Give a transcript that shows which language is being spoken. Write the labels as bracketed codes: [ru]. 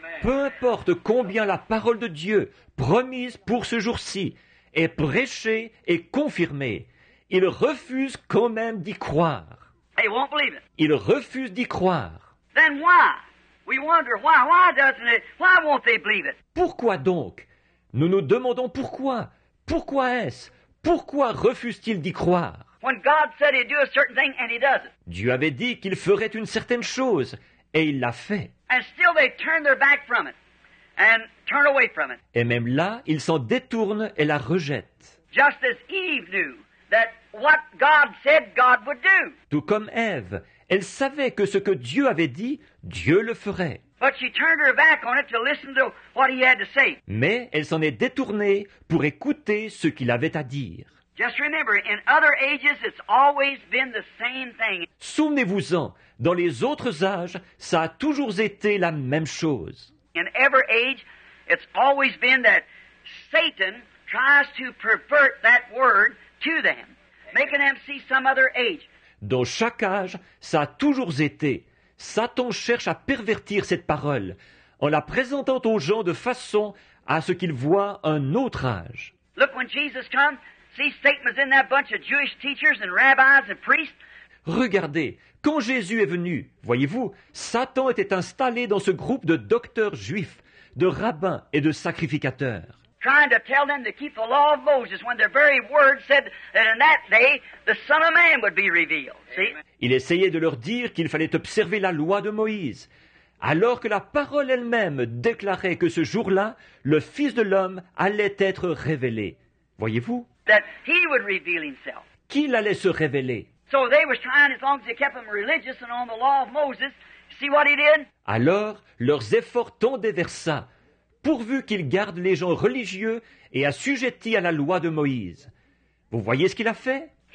[fr] Peu importe combien la parole de Dieu, promise pour ce jour-ci, est prêchée et confirmée, ils refusent quand même d'y croire. [en] They won't believe it. [fr] Ils refusent d'y croire. [en] Then why? We wonder why. Why doesn't it? Why won't they believe it? [fr] Pourquoi donc? Nous nous demandons pourquoi. Pourquoi est-ce? Pourquoi refusent-ils d'y croire? [en] When God said he'd do a certain thing and he doesn't. [fr] Dieu avait dit qu'il ferait une certaine chose et il l'a fait. [en] And still they turn their back from it and turn away from it. [fr] Et même là, ils s'en détournent et la rejettent. [en] Just as Eve knew that. What God said, God would do. [fr] Tout comme Ève, elle savait que ce que Dieu avait dit, Dieu le ferait. [en] But she turned her back on it to listen to what he had to say. [fr] Mais elle s'en est détournée pour écouter ce qu'il avait à dire. [en] Just remember, in other ages, it's always been the same thing. [fr] Souvenez-vous-en, dans les autres âges, ça a toujours été la même chose. [en] In every age, it's always been that Satan tries to pervert that word to them. Making them see some other age. [fr] Dans chaque âge, ça a toujours été. Satan cherche à pervertir cette parole en la présentant aux gens de façon à ce qu'ils voient un autre âge. [en] Look, when Jesus comes, see Satan was in that bunch of Jewish teachers and rabbis and priests. [fr] Regardez, quand Jésus est venu, voyez-vous, Satan était installé dans ce groupe de docteurs juifs, de rabbins et de sacrificateurs. [en] Trying to tell them to keep the law of Moses when their very word said that in that day the Son of Man would be revealed. See? [fr] Il essayait de leur dire qu'il fallait observer la loi de Moïse, alors que la parole elle-même déclarait que ce jour-là, le Fils de l'homme allait être révélé. Voyez-vous? [en] That he would reveal himself. [fr] Qu'il allait se révéler. [en] So they were trying, as long as they kept them religious and on the law of Moses, see what he did? [fr] Alors, leurs efforts tendaient vers ça. Pourvu qu'ils gardent les gens religieux et assujettis à la loi de Moïse. Vous voyez ce qu'il a fait?